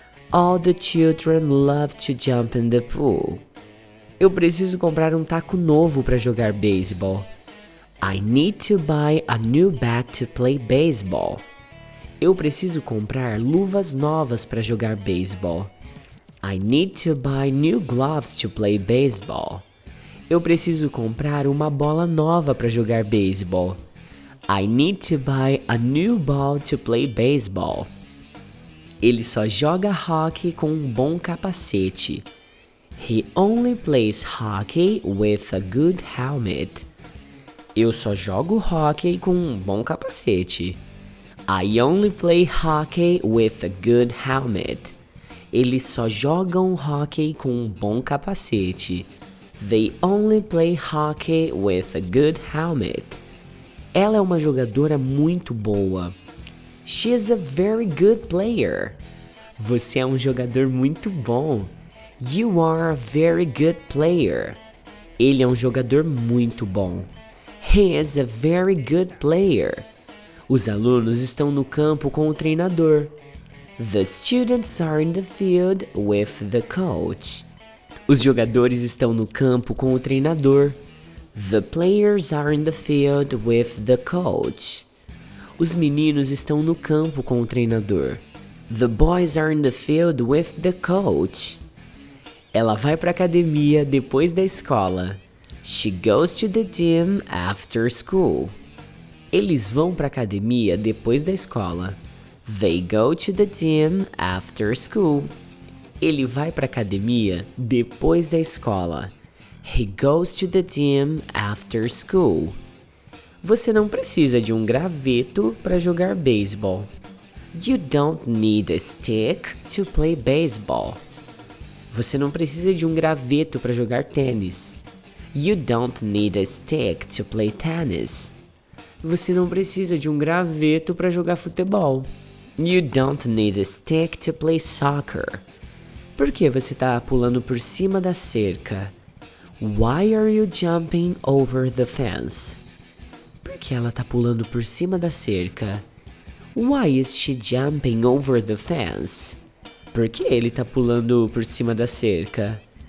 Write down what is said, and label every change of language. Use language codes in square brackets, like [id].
[en] All the children love to jump in the pool. [pt] Eu preciso comprar um taco novo para jogar beisebol. [en] I need to buy a new bat to play baseball. [pt] Eu preciso comprar luvas novas para jogar beisebol. [en] I need to buy new gloves to play baseball. [pt] Eu preciso comprar uma bola nova para jogar beisebol. [en] I need to buy a new ball to play baseball. [pt] Ele só joga hockey com um bom capacete. [en] He only plays hockey with a good helmet. [pt] Eu só jogo hockey com um bom capacete. [en] I only play hockey with a good helmet. [pt] Eles só jogam hockey com um bom capacete. [en] They only play hockey with a good helmet. [pt] Ela é uma jogadora muito boa. [en] She is a very good player. [pt] Você é um jogador muito bom. [en] You are a very good player. [pt] Ele é um jogador muito bom. [en] He is a very good player. [pt] Os alunos estão no campo com o treinador. [en] The students are in the field with the coach. [pt] Os jogadores estão no campo com o treinador. [en] The players are in the field with the coach. [pt] Os meninos estão no campo com o treinador. [en] The boys are in the field with the coach. [pt] Ela vai para a academia depois da escola. [en] She goes to the gym after school. [pt] Eles vão para a academia depois da escola. [en] They go to the gym after school. [pt] Ele vai para a academia depois da escola. [en] He goes to the gym after school. [pt] Você não precisa de um graveto para jogar beisebol. [en] You don't need a stick to play baseball. [pt] Você não precisa de um graveto para jogar tênis. [en] You don't need a stick to play tennis. [pt] Você não precisa de um graveto para jogar futebol. [en] You don't need a stick to play soccer. [pt] Por que você está pulando por cima da cerca? [en] Why are you jumping over the fence? [pt] Por que ela está pulando por cima da cerca? [en] Why is she jumping over the fence? [pt] Por que ele está pulando por cima da cerca?